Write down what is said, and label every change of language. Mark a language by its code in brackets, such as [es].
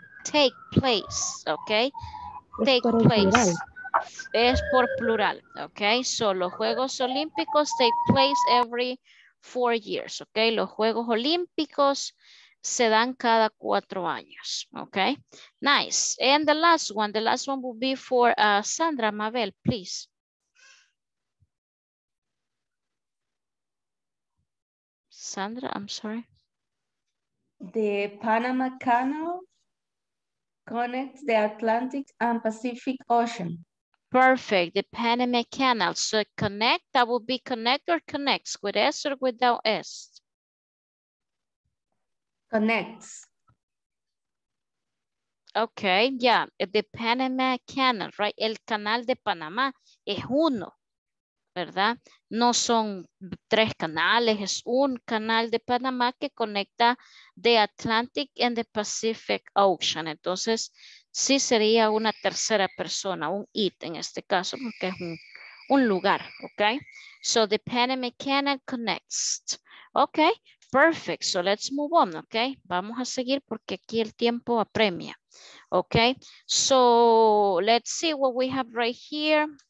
[en] Take place, ¿ok? Take place. [es] Es por plural, ¿ok? [en] So, [es] los Juegos Olímpicos [en] take place every 4 years, ¿ok? [es] Los Juegos Olímpicos se dan cada 4 años, ¿ok? [en] Nice. And the last one will be for Sandra Mabel, please. Sandra, I'm sorry. The Panama Canal connects the Atlantic and Pacific Ocean. Perfect. The Panama Canal. So connect, that would be connect or connects with S or without S? Connects. Okay, yeah. The Panama Canal, right? [es] El canal de Panamá es uno, ¿verdad? No son tres canales, es un canal de Panamá que conecta [en] the Atlantic and the Pacific Ocean. [es] Entonces, sí sería una tercera persona, un it en este caso, porque es un lugar, ¿ok? [en] So, the Panama Canal connects. Ok, perfect. So let's move on, okay? [es] Vamos a seguir porque aquí el tiempo apremia. [en] Okay, so let's see what we have right here.